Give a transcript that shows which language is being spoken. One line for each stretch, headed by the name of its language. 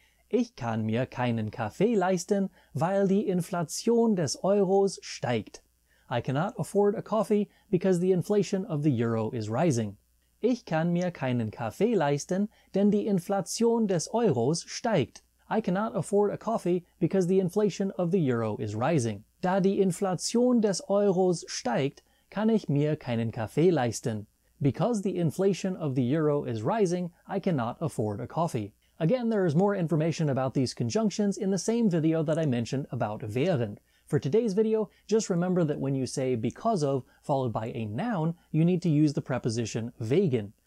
German: Ich kann mir keinen Kaffee leisten, weil die Inflation des Euros steigt.
English: I cannot afford a coffee because the inflation of the euro is rising.
German: Ich kann mir keinen Kaffee leisten, denn die Inflation des Euros steigt.
English: I cannot afford a coffee because the inflation of the euro is rising.
German: Da die Inflation des Euros steigt, kann ich mir keinen Kaffee leisten.
English: Because the inflation of the euro is rising, I cannot afford a coffee. Again, there is more information about these conjunctions in the same video that I mentioned about während. For today's video, just remember that when you say because of followed by a noun, you need to use the preposition wegen.